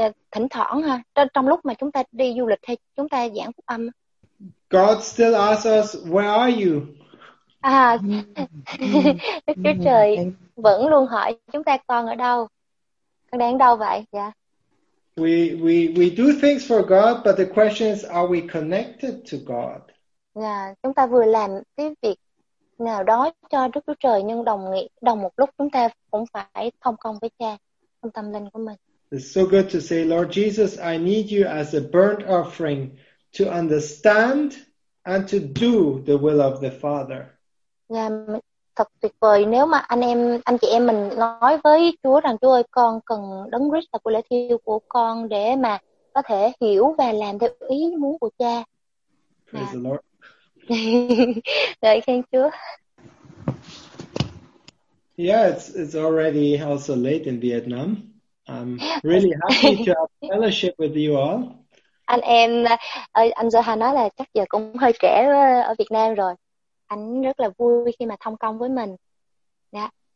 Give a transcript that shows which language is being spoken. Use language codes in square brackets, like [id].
[vi] thỉnh thoảng ha, trong lúc mà chúng ta đi du lịch hay chúng ta giảng phúc âm, [en] God still asks us, where are you? [vi] Đức Chúa Trời vẫn luôn hỏi chúng ta con ở đâu, con đang ở đâu vậy? [en] We do things for God, but the question is, are we connected to God? [vi] Chúng ta vừa làm cái việc nào đó cho Đức Chúa Trời, nhưng đồng một lúc chúng ta cũng phải thông công với Cha trong tâm linh của mình. [en] It's so good to say, Lord Jesus, I need you as a burnt offering to understand and to do the will of the Father. [vi] Thật tuyệt vời nếu mà anh chị em mình nói với Chúa rằng, Chúa ơi, con cần đấng Christ là của lễ thiêu của con để mà có thể hiểu và làm theo ý muốn của Cha. [en] Praise the Lord. [vi] Lời khen Chúa. [en] Yeah, it's already also late in Vietnam. I'm really happy to have fellowship with you all. [vi] Anh em, anh Zohar nói là chắc giờ cũng hơi trễ ở Việt Nam rồi. Anh rất là vui khi mà thông công với mình. Yeah.